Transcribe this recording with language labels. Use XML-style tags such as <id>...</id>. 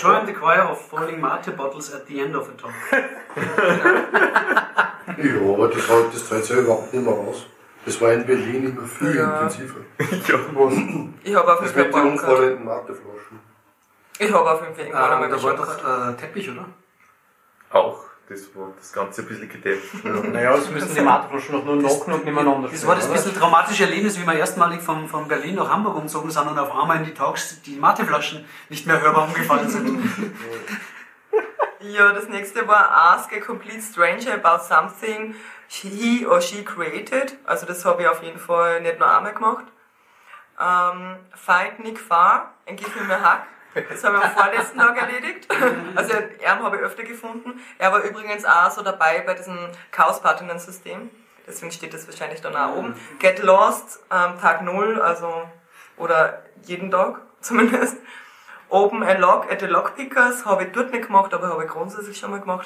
<en>Join the Choir of Falling Mate Bottles at the end of a talk.</en> <de>Ja, aber das zahlt sich ja überhaupt nicht mehr aus. Das war in Berlin immer viel intensiver. Ja, was? Ich habe auf jeden Fall... Das mit den unvollenden Mateflaschen. Ich habe auf jeden Fall irgendwann einmal geschaut. Da war doch Teppich, oder? Auch. Das war das Ganze ein bisschen gedämpft. Ja. Naja, es müssen die Mateflaschen noch nur locken und nebeneinander stehen. Das war das bisschen traumatische Erlebnis, wie wir erstmalig von Berlin nach Hamburg umzogen sind und auf einmal in die Talks die Mateflaschen nicht mehr hörbar umgefallen sind. Ja, das nächste war</de> <en>Ask a complete stranger about something he or she created.</en> <de>Also das habe ich auf jeden Fall nicht nur einmal gemacht.</de> <en>Find Nick Farr and give him a hug.</en> <de>Das habe ich am vorletzten Tag erledigt. Also, er habe ich öfter gefunden. Er war übrigens auch so dabei bei diesem Chaos-Partner-System. Deswegen steht das wahrscheinlich dann auch oben.</de> <en>Get lost,</en> <de>Tag 0, also, oder jeden Tag zumindest.</de> <en>Open a lock at the lockpickers,</en> <de>habe ich dort nicht gemacht, aber habe ich grundsätzlich schon mal gemacht.</de>